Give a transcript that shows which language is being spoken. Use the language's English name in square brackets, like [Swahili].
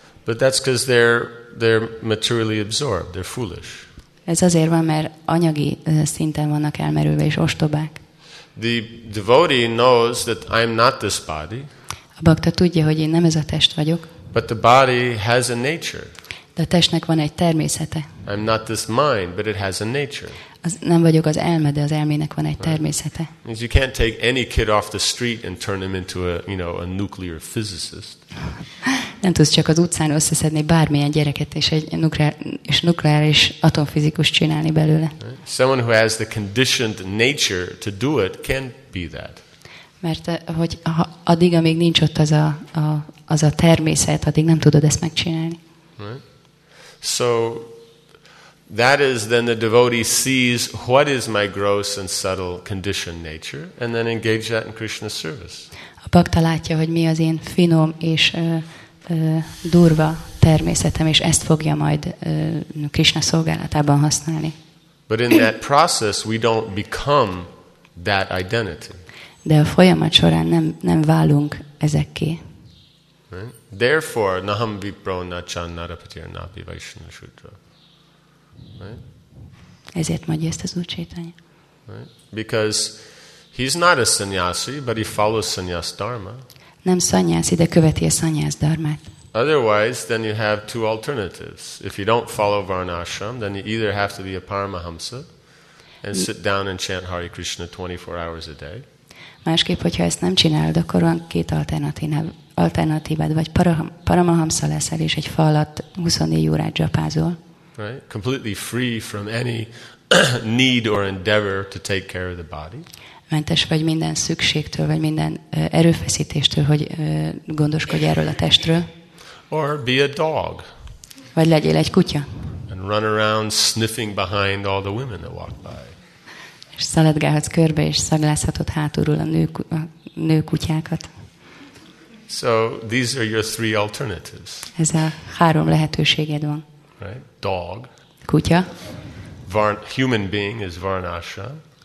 [English] But that's because they're materially absorbed, they're foolish. [Hungarian] Ez azért van, mert anyagi szinten vannak elmerülve és ostobák. [English] The devotee knows that I'm not this body. [Hungarian] A bhakta tudja, hogy én nem ez a test vagyok. [English] But the body has a nature. [Hungarian] De a testnek van egy természete. [English] I'm not this mind, but it has a nature. [Hungarian] Az nem vagyok az elme, de az elmének van egy természete. [English] Right. You can't take any kid off the street and turn him into a, you know, a nuclear physicist. [Hungarian] Nem tudsz csak az utcán összeszedni bármilyen gyereket és egy nukleáris atomfizikus csinálni belőle. [English] Right. Someone who has the conditioned nature to do it can be that. [Hungarian] Mert hogy addig, amíg nincs ott az az a természet, addig nem tudod ezt megcsinálni. [English] Right. So that is then the devotee sees what is my gross and subtle conditioned nature, and then engage that in Krishna's service. [Hungarian] A bhakta látja, hogy mi az én finom és durva természetem, és ezt fogja majd Krishna szolgálatában használni. [English] But in that process, we don't become that identity. [Hungarian] De a folyamat során nem válunk ezekké. [English] Right? Therefore, [Sanskrit] naham vipro na chan narapatir napi vaishnava shudra. [English] Right? [Hungarian] Ezért mondja ezt az Úr Csétanya. [English] Because he's not a sannyasi, but he follows sannyas dharma. [Hungarian] Nem sannyasi, de követi a sannyas dharmát. [English] Otherwise, then you have two alternatives. If you don't follow Varnashram, then you either have to be a paramahamsa and sit down and chant Hare Krishna 24 hours a day. [Hungarian] Másképp, hogyha ezt nem csinálod, akkor van két alternatívád, vagy paramahamsa leszel, és egy falat 24 órát japázol. [English] Right, completely free from any need or endeavor to take care of the body. [Hungarian] Mentes vagy minden szükségtől, vagy minden erőfeszítéstől, hogy gondoskodj erről a testről. [English] Or be a dog. [Hungarian] Vagy legyél egy kutya. [English] And run around sniffing behind all the women that walk by. [Hungarian] És szaladgálhatsz körbe és szaglászhatod hátulról a nő kutyákat. [English] So these are your three alternatives. [Hungarian] Ez a három lehetőséged van. [English] Right. Dog. [Hungarian] Kutya. [English] Human being is Varnashram.